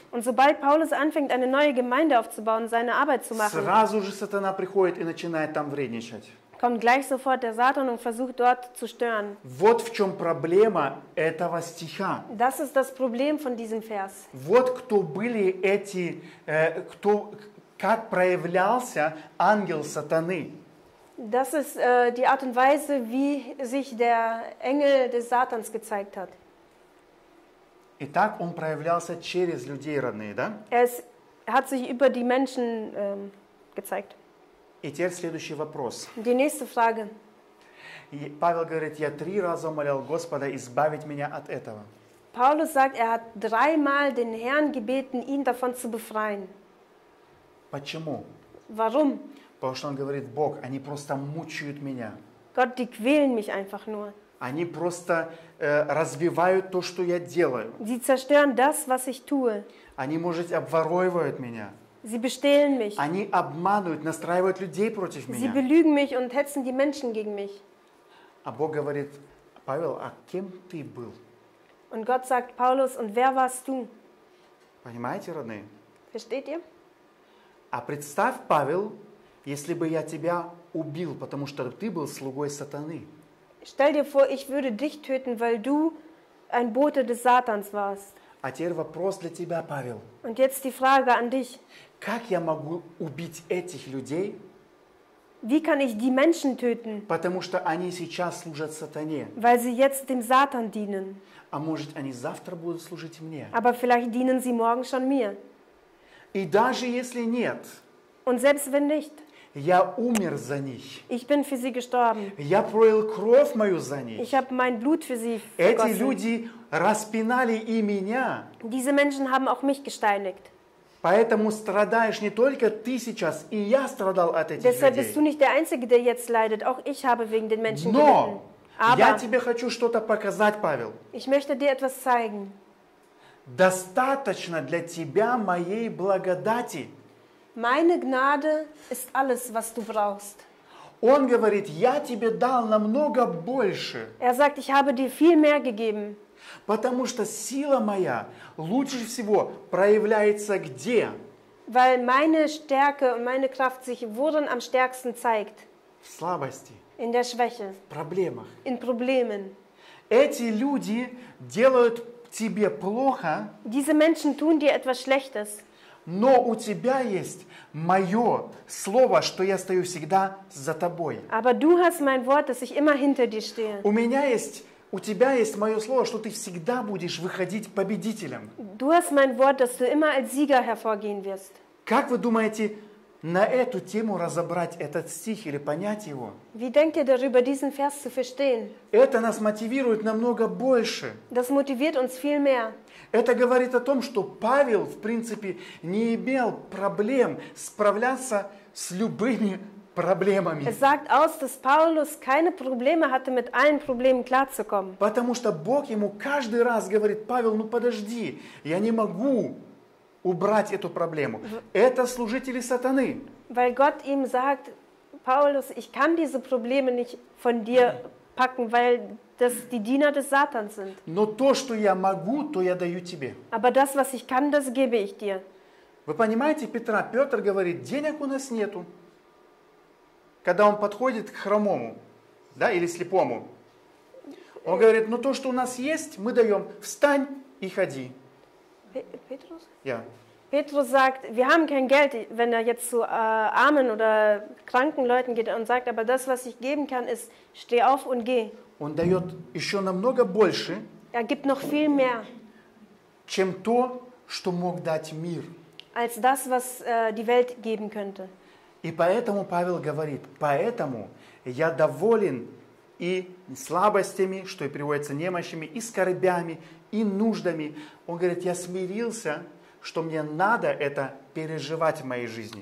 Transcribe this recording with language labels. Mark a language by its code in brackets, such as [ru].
[de] Und sobald Paulus anfängt, eine neue Gemeinde aufzubauen, seine Arbeit zu machen, [ru] сразу же сатана приходит и начинает там вредничать. [de] Kommt gleich sofort der Satan und versucht dort zu stören. [ru] Вот в чем проблема этого стиха. [de] Das ist das Problem von diesem Vers. [ru] Вот кто были эти, кто, как проявлялся ангел сатаны. [de] Das ist die Art und Weise, wie sich der Engel des Satans gezeigt hat. [ru] Итак, он проявлялся через людей родные, да? [de] Er hat sich über die Menschen gezeigt. [ru] И теперь следующий вопрос. [de] Die nächste Frage. [ru] И Павел говорит, я три раза молил Господа избавить меня от этого. [de] Paulus sagt, hat dreimal den Herrn gebeten, ihn davon zu befreien. [ru] Почему? [de] Warum? [ru] Потому что он говорит, Бог, они просто мучают меня. [de] Gott, die quälen mich einfach nur. [ru] Они просто разбивают то, что я делаю. [de] Sie zerstören das, was ich tue. [ru] Они, может, обворовывают меня. [de] Sie bestehlen mich. [ru] Они обманывают, настраивают людей против меня. [de] Sie belügen mich und hetzen die Menschen gegen mich. [ru] А Бог говорит, Павел, а кем ты был? [de] Und Gott sagt, Paulus, und wer warst du? [ru] Понимаете, родные? [de] Versteht ihr? [ru] А представь, Павел, если бы я тебя убил, потому что ты был слугой сатаны. [de] Stell dir vor, ich würde dich töten, weil du ein Bote des Satans warst. [ru] А теперь вопрос для тебя, Павел. [de] Und jetzt die Frage an dich. [ru] Как я могу убить этих людей? [de] Wie kann ich die Menschen töten? [ru] Потому что они сейчас служат сатане. [de] Weil sie jetzt dem Satan dienen. [ru] А может, они завтра будут служить мне? [de] Aber vielleicht dienen sie morgen schon mir. [ru] И даже если нет. [de] Und selbst wenn nicht. [ru] Я умер за них. [de] Ich bin für sie gestorben. [ru] Я пролил кровь мою за них. [de] Ich habe mein Blut für sie vergossen. [ru] Эти люди распинали и меня. [de] Diese Menschen haben auch mich gesteinigt. [ru] Поэтому страдаешь не только ты сейчас, и я страдал от этих людей. [de] Deshalb bist du nicht der Einzige, der jetzt leidet. Auch ich habe wegen den Menschen gelitten. [ru] Но я тебе хочу что-то показать, Павел. [de] Ich möchte dir etwas zeigen. [ru] Достаточно для тебя моей благодати. [de] Meine Gnade ist alles, was du brauchst. [ru] Он говорит, я тебе дал намного больше. [de] Er sagt, ich habe dir viel mehr gegeben. [ru] Потому что сила моя лучше всего проявляется где? [de] Weil meine Stärke und meine Kraft sich worin am stärksten zeigt? [ru] В слабости. [de] In der Schwäche. [ru] В проблемах. [de] In Problemen. [ru] Эти люди делают тебе плохо. [de] Diese Menschen tun dir etwas Schlechtes. [ru] Но у тебя есть мое слово, что я стою всегда за тобой. [de] Aber du hast mein Wort, dass ich immer hinter dir stehe. [ru] У меня есть, у тебя есть мое слово, что ты всегда будешь выходить победителем. [de] Du hast mein Wort, dass du immer als Sieger hervorgehen wirst. [ru] Как вы думаете, на эту тему разобрать этот стих или понять его? [de] Wie denkt ihr darüber, diesen Vers zu verstehen? [ru] Это нас мотивирует намного больше. [de] Das motiviert uns viel mehr. [ru] Это говорит о том, что Павел, в принципе, не имел проблем справляться с любыми проблемами. [de] Es sagt aus, dass Paulus keine Probleme hatte, mit allen Problemen klarzukommen. [ru] Потому что Бог ему каждый раз говорит, Павел, ну подожди, я не могу убрать эту проблему. Это служители сатаны. [de] Weil Gott ihm sagt, Paulus, ich kann diese Probleme nicht von dir packen, weil das die Diener des Satans sind. [ru] Но то, что я могу, то я даю тебе. [de] Aber das, was ich kann, das gebe ich dir. [ru] Вы понимаете, Петра, Петр говорит, денег у нас нету. Когда он подходит к хромому, да, или слепому, он говорит, ну то, что у нас есть, мы даем, встань и ходи. Петрус? [de] Ja. Petrus sagt, wir haben kein Geld, wenn er jetzt zu Armen oder kranken Leuten geht und sagt, aber das, was ich geben kann, ist, steh auf und geh. [ru] Он дает еще намного больше. [de] Er gibt noch viel mehr. [ru] Чем то, что мог дать мир. [de] Als das, was die Welt geben könnte. [ru] И поэтому Павел говорит: поэтому я доволен и слабостями, что и приводится немощами, и скорбями, и нуждами. Он говорит: я смирился, что мне надо это переживать в моей жизни.